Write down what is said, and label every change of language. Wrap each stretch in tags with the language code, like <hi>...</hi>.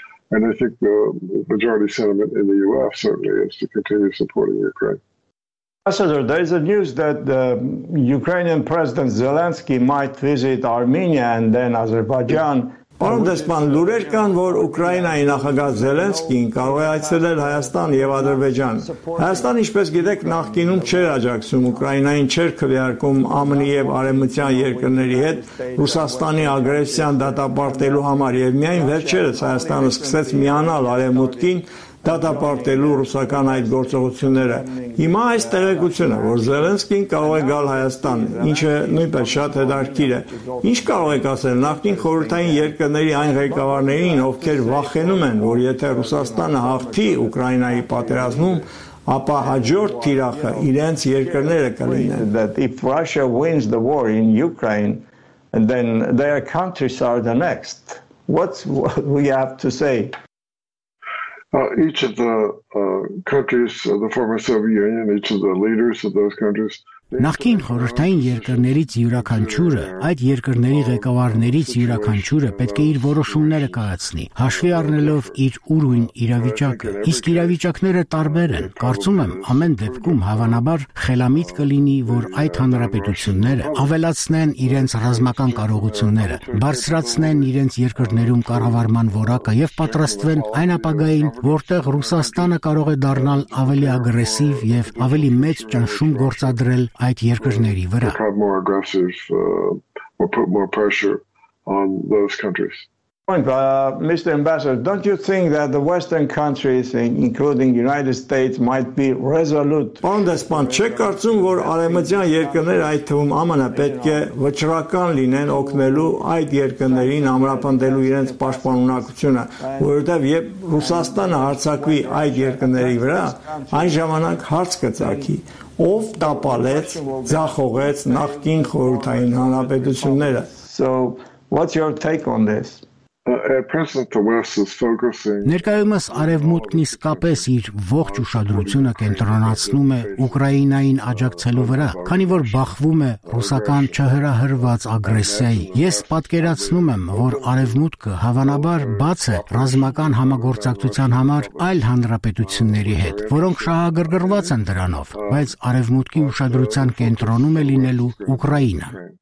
<en>And I think the majority sentiment in the U.S. certainly is to continue supporting Ukraine. Ambassador, there is a news that the Ukrainian President Zelensky might visit Armenia and then Azerbaijan.</en> <hy>Պարոն Դեսպան, լուրեր կան, որ Ուկրաինայի նախագահ Զելենսկին կարող է այցելել Հայաստան և Ադրբեջան։ Հայաստան, ինչպես գիտեք, նախկինում չէր աջակցում Ուկրաինային, չէր քվեարկում ԱՄՆ և Արևմտյան երկրների հետ Ռուսաստանի ագրեսիան դատապարտելու համար, և միայն վերջերս Հայաստանը սկսեց միանալ Արևմուտքին դատապարտելու ռուսական այդ գործողությունները։ Հիմա այս տեղեկությունը, որ Զելենսկին կարող է գալ Հայաստան, ինչը նույնպես շատ հետաքրքիր է, ինչ կարող եք ասել նախկին խորհրդային երկրների այն ղեկավարներին, ովքեր վախենում են, որ եթե Ռուսաստանը հաղթի Ուկրաինայի պատերազմում, ապա հաջորդ թիրախը իրենց երկրները կլինեն։</hy> <en>That if Russia wins the war in Ukraine, and then their countries are the next. What's what we have to say? Each of the countries of the former Soviet Union, each of the leaders of those countries.</en> <hy>Նախկին խորհրդային երկրներից յուրաքանչյուրը, այդ երկրների ղեկավարներից յուրաքանչյուրը պետք է իր որոշումները կայացնի, հաշվի առնելով իր ուրույն իրավիճակը, իսկ իրավիճակները տարբեր են, կարծում եմ ամեն դեպքում հավանաբար խելամիտ կլինի, որ այդ հանրապետությունները ավելացնեն իրենց ռազմական կարողությունները, բարձրացնեն իրենց երկրներում կառավարման որակը և պատրաստվեն այն ապագային, որտեղ Ռուսաստանը կարող է դառնալ ավելի ագրեսիվ և ավելի մեծ ճնշում գործադրել այդ երկրների վրա.</hy> <en>More aggressive or put more pressure on those countries. Mr. Ambassador, don't you think that the Western countries, including the United States, might be resolute?</en> <hy>Պարոն Դեսպան, չեք կարծում, որ արևմտյան երկրները, այդ թվում ԱՄՆ-ը, պետք է վճռական լինեն օգնելու այդ երկրներին ամրապնդելու իրենց պաշտպանունակությունը, որովհետև երբ Ռուսաստանը հարձակվի այդ երկրների վրա, այն ժամանակ հարց կծագի. Ով տապալեց, ձախողեց նախկին խորհրդային հանրապետությունները.</hy> <en>So, what's your take on this?</en> <hy>Ներկայումս արևմուտքն իսկապես իր ողջ ուշադրությունը կենտրոնացնում է Ուկրաինային աջակցելու վրա, քանի որ բախվում է ռուսական չհրահրված ագրեսիայի։ Ես պատկերացնում եմ, որ արևմուտքը հավանաբար բաց է ռազմական համագործակցության համար այլ հանրապետությունների հետ, որոնք շահագրգռված են դրանով, բայց արևմուտքի ուշադրության կենտրոնում է լինելու Ուկրաինա։</hy>